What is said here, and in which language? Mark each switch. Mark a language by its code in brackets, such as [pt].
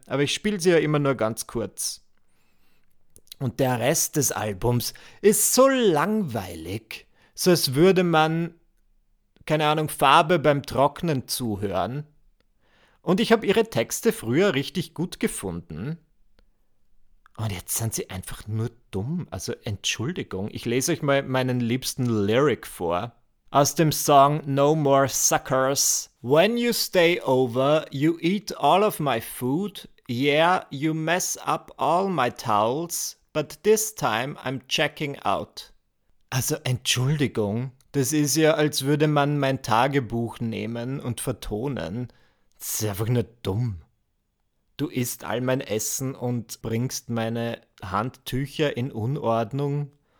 [de] Aber ich spiele sie ja immer nur ganz kurz. Und der Rest des Albums ist so langweilig, so als würde man, keine Ahnung, Farbe beim Trocknen zuhören. Und ich habe ihre Texte früher richtig gut gefunden. Und jetzt sind sie einfach nur dumm. Also Entschuldigung, ich lese euch mal meinen liebsten Lyric vor. Aus dem Song No More Suckers. [en] When you stay over, you eat all of my food. Yeah, you mess up all my towels. But this time I'm checking out. [de] Also Entschuldigung, das ist ja, als würde man mein Tagebuch nehmen und vertonen. Das ist einfach nur dumm. Du isst all mein Essen und bringst meine Handtücher in Unordnung.